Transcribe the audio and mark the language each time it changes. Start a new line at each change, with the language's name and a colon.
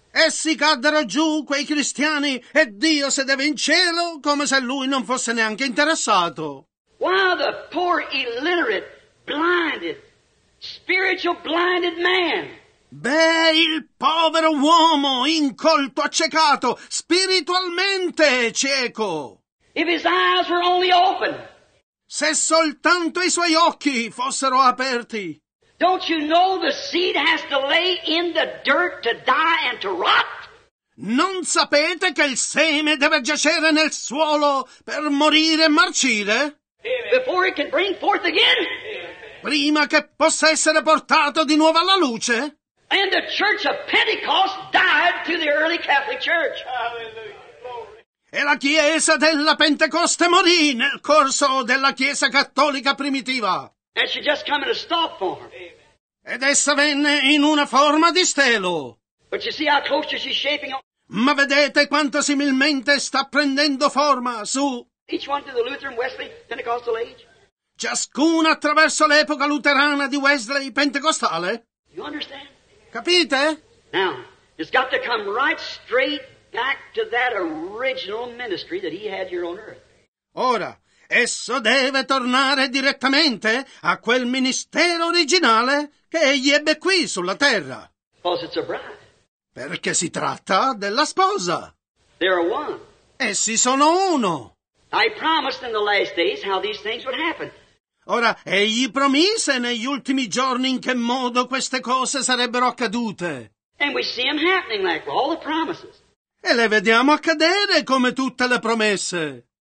Italian: Essi caddero giù, quei cristiani, e Dio sedeva in cielo come se lui non fosse neanche interessato.
English: Why the poor illiterate, blinded, spiritual blinded man?
Italian: Beh, il povero uomo, incolto, accecato, spiritualmente cieco.
English: If his eyes were only open.
Italian: Se soltanto i suoi occhi fossero aperti.
English: Don't you know the seed has to lay in the dirt to die and to rot?
Italian: Non sapete che il seme deve giacere nel suolo per morire e marcire?
English: Before it can bring forth again?
Italian: Prima che possa essere portato di nuovo alla luce?
English: And the church of Pentecost died to the early Catholic church. Hallelujah. Glory.
Italian: E la chiesa della Pentecoste morì nel corso della chiesa cattolica primitiva.
English: And she just came in a stop form.
Italian: Ed essa venne in una forma di stelo.
English: But you see how closely she's shaping up.
Italian: Ma vedete quanto similmente sta prendendo forma su.
English: Each one to the Lutheran, Wesley, Pentecostal age.
Italian: Ciascuna attraverso l'epoca luterana di Wesley pentecostale.
English: You understand?
Italian: Capite?
English: Now, it's got to come right straight back to that original ministry that he had here on earth.
Italian: Ora, esso deve tornare direttamente a quel ministero originale che egli ebbe qui sulla terra.
English: Because it's a bride.
Italian: Perché si tratta della sposa.
English: They are one.
Italian: Essi sono uno.
English: I promised in the last days how these things would happen.
Italian: Ora, egli promise negli ultimi giorni in che modo queste cose sarebbero accadute.
English: And we see them happening like all the promises.
Italian: E le vediamo accadere come tutte le promesse.